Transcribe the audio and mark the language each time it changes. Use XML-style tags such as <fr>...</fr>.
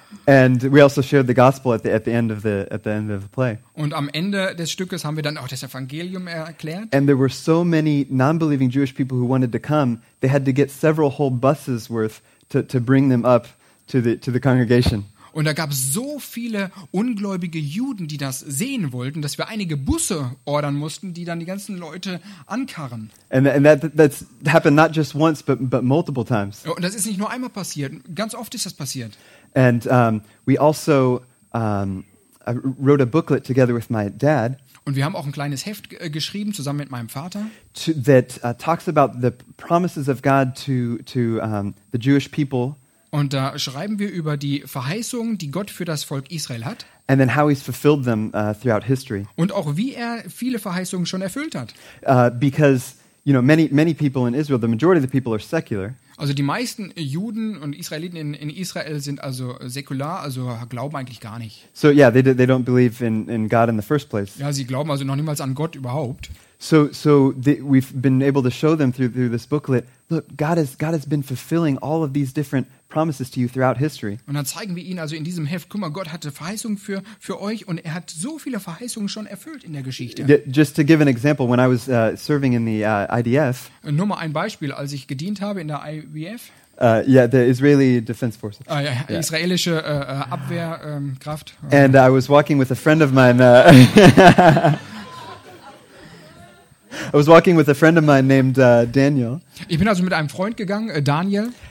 <en>And we also shared the gospel at the end of the play.</en> <de>Und am Ende des Stückes haben wir dann auch das Evangelium erklärt.</de> <en>And there were so many non-believing Jewish people who wanted to come, they had to get several whole buses worth to bring them up to the congregation.</en> <de>Und da gab es so viele ungläubige Juden, die das sehen wollten, dass wir einige Busse ordern mussten, die dann die ganzen Leute ankarren.</de> <en>And that's happened not just once, but multiple times.</en> <de>Und das ist nicht nur einmal passiert. Ganz oft ist das passiert.</de> <en>And we also wrote a booklet together with my dad.</en> <de>Und wir haben auch ein kleines Heft geschrieben zusammen mit meinem Vater.</de> <en>That talks about the promises of God to the Jewish people.</en> <de>Und da schreiben wir über die Verheißungen, die Gott für das Volk Israel hat.</de> <en>And then how he's fulfilled them throughout history.</en> <de>Und auch wie er viele Verheißungen schon erfüllt hat.</de> <en>Because you know many people in Israel, the majority of the people are secular.</en> <de>Also die meisten Juden und Israeliten in Israel sind also säkular, also glauben eigentlich gar nicht.</de> <en>So yeah, they don't believe in God in the first place.</en> <de>Ja, sie glauben also noch niemals an Gott überhaupt.</de> <en>So we've been able to show them through this booklet. Look, God has been fulfilling all of these different promises to you throughout history.</en> <de>Und dann zeigen wir ihnen also in diesem Heft, guck mal, Gott hatte Verheißungen für euch und er hat so viele Verheißungen schon erfüllt in der Geschichte.</de> <en>Just to give an example, when I was serving in the IDF.</en> <de>Nur mal ein Beispiel, als ich gedient habe in der IDF.</de> <en>The Israeli Defense Forces.</en> <de>Israelische Abwehrkraft.</de> <en>And I was walking with a friend of mine. I was walking with a friend of mine named Daniel.</en> <de>Ich bin also mit einem Freund gegangen, Daniel.</de>